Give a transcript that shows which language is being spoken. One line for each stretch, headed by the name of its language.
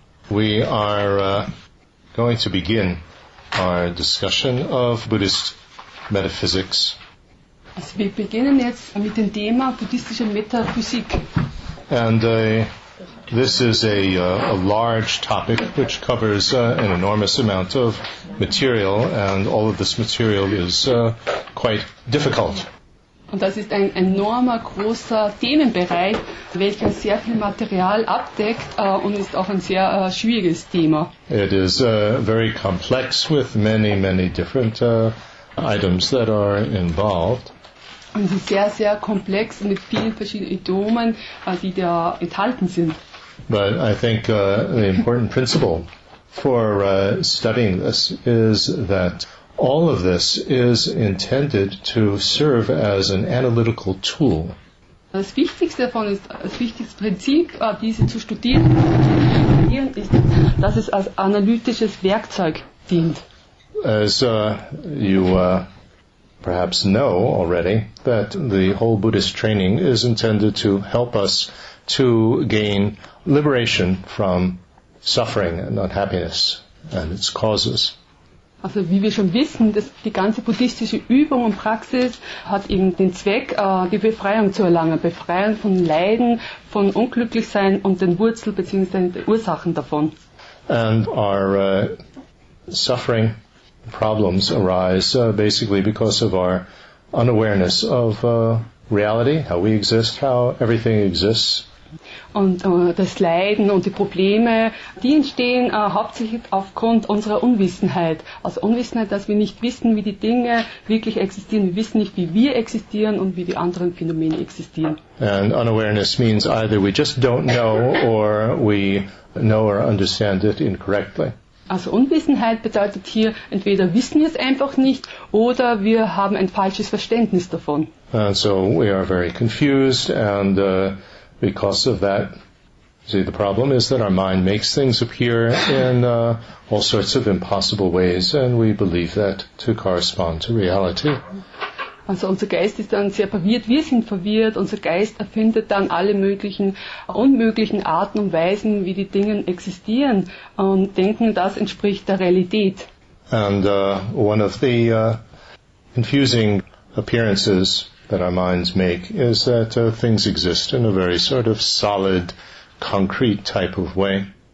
English: We are going to begin our discussion of Buddhist metaphysics.
German: Also wir beginnen jetzt mit dem Thema buddhistische Metaphysik.
English: And this is a large topic which covers an enormous amount of material, and all of this material is quite difficult.
German: Und das ist ein enormer, großer Themenbereich, welcher sehr viel Material abdeckt und ist auch ein sehr schwieriges Thema.
English: It is very complex with many, many different items that are involved.
German: Und es ist sehr, sehr komplex mit vielen verschiedenen Idiomen, die da enthalten sind.
English: But I think the important principle for studying this is that all of this is intended to serve as an analytical tool.
German: Das wichtigste davon ist, das wichtigste Prinzip, diese zu studieren, ist, dass es als analytisches Werkzeug dient.
English: As you perhaps know already, that the whole Buddhist training is intended to help us to gain liberation from suffering and unhappiness and its causes.
German: Also wie wir schon wissen, dass die ganze buddhistische Übung und Praxis hat eben den Zweck, die Befreiung zu erlangen. Befreiung von Leiden, von Unglücklichsein und den Wurzel bzw. den Ursachen davon.
English: And our suffering problems arise basically because of our unawareness of reality, how we exist, how everything exists.
German: Und das Leiden und die Probleme, die entstehen hauptsächlich aufgrund unserer Unwissenheit. Also Unwissenheit, dass wir nicht wissen, wie die Dinge wirklich existieren. Wir wissen nicht, wie wir existieren und wie die anderen Phänomene existieren.
English: And unawareness means either we just don't know or we know or understand it incorrectly.
German: Also Unwissenheit bedeutet hier, entweder wissen wir es einfach nicht oder wir haben ein falsches Verständnis davon.
English: And so we are very confused and because of that, see, the problem is that our mind makes things appear in all sorts of impossible ways, and we believe that to correspond to reality.
German: Also unser Geist ist dann sehr verwirrt, wir sind verwirrt, unser Geist erfindet dann alle möglichen, unmöglichen Arten und Weisen, wie die Dinge existieren, und denken, das entspricht der Realität.
English: And one of the confusing appearances that our minds make is that things exist in a very sort of solid, concrete type of way.